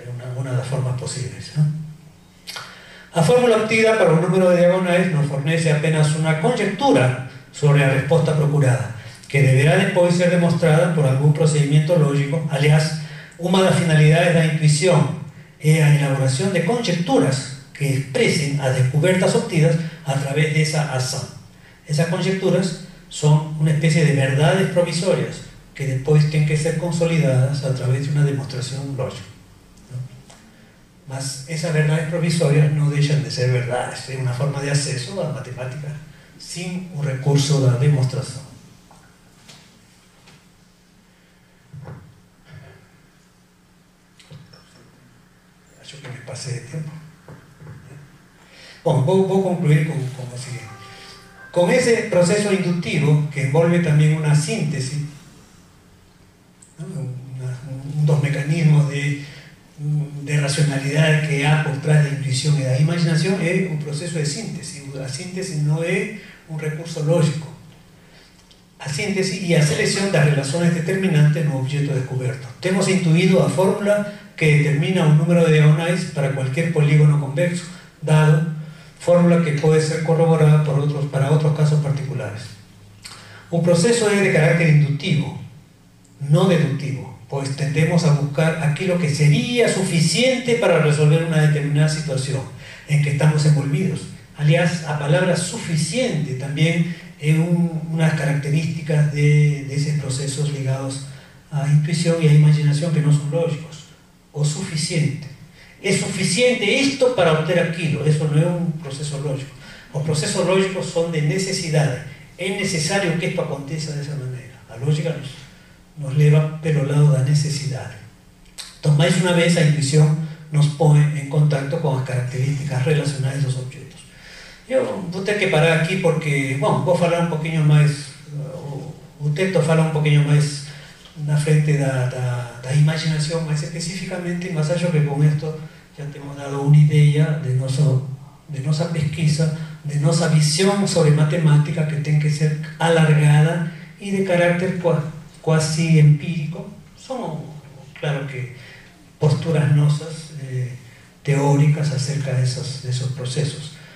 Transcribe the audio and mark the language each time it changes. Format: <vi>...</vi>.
<pt>É uma das formas possíveis, né? A fórmula obtida para um número de diagonais nos fornece apenas uma conjectura sobre a resposta procurada, que deverá depois ser demonstrada por algum procedimento lógico. Aliás, uma das finalidades da intuição é a elaboração de conjecturas que expressem as descobertas obtidas</pt> <es>a través de esa</es> <pt>ação.</pt> <es>Esas conjeturas son una especie de verdades provisorias que después tienen que ser consolidadas a través de una demostración lógica, ¿no? Mas esas verdades provisorias no dejan de ser verdades, es una forma de acceso a la matemática sin un recurso de la demostración.</es> <pt>Acho que</pt> <es>me pasé de tiempo. Bom, vou concluir com o seguinte. Com esse processo indutivo, que envolve também uma síntese, um dos mecanismos de racionalidade que há por trás da intuição e da imaginação, é um processo de síntese. A síntese não é um recurso lógico. A síntese e a seleção das relações determinantes no objeto descoberto. Temos intuído a fórmula que determina um número de diagonais para qualquer polígono convexo, dado fórmula que puede ser corroborada para otros casos particulares. Un proceso es de carácter inductivo, no deductivo, pues tendemos a buscar aquello que sería suficiente para resolver una determinada situación en que estamos envolvidos.</es> <pt>Aliás,</pt> <es>la palabra suficiente también es unas características de esos procesos ligados a intuición y a imaginación que no son lógicos.</es> <pt>O suficiente. É suficiente isto para obter aquilo. Isso não é um processo lógico. Os processos lógicos são de necessidade. É necessário que isto aconteça dessa maneira. A lógica nos leva pelo lado da necessidade. Então, mais uma vez, a intuição nos põe em contato com as características relacionadas aos objetos. Eu vou ter que parar aqui porque, bom, vou falar um pouquinho mais, o texto fala um pouquinho mais na frente da imaginação, mais especificamente, mas acho que com isto já temos dado uma ideia de nossa pesquisa, de nossa visão sobre matemática, que tem que ser alargada e de carácter quase empírico. São, claro, que posturas nossas,</pt> <es>teóricas acerca de esos procesos.</es>